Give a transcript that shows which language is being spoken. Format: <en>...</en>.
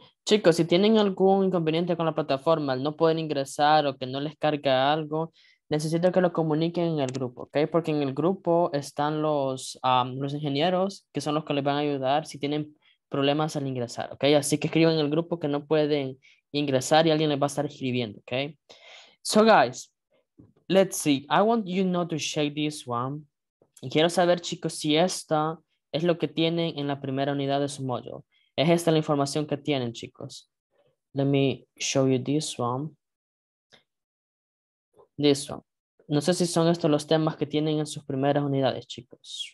<es>Chicos, si tienen algún inconveniente con la plataforma, no pueden ingresar o que no les carga algo, necesito que lo comuniquen en el grupo, ¿ok? Porque en el grupo están los ingenieros, que son los que les van a ayudar si tienen problemas al ingresar, ¿ok? Así que escriban en el grupo que no pueden ingresar y alguien les va a estar escribiendo, ¿ok?</es> <en>So, guys, let's see. I want you not to shake this one.</en> <es>Y quiero saber, chicos, si esta es lo que tienen en la primera unidad de su module. Es esta la información que tienen, chicos.</es> <en>Let me show you this one. This one.</en> <es>No sé si son estos los temas que tienen en sus primeras unidades, chicos.</es>